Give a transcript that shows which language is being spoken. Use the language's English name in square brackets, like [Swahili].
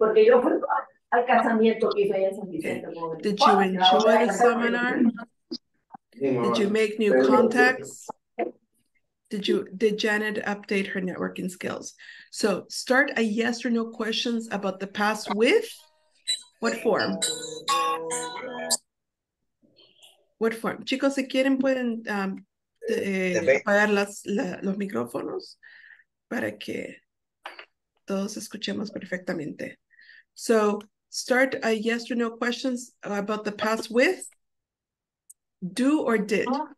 [English] Okay. Did you enjoy the seminar? Did you make new contacts? Did Janet update her networking skills? So start a yes or no questions about the past with what form? What form? [Spanish] Chicos, si quieren pueden apagar los micrófonos para que todos escuchemos perfectamente. [English] So start a yes or no questions about the past with do or did?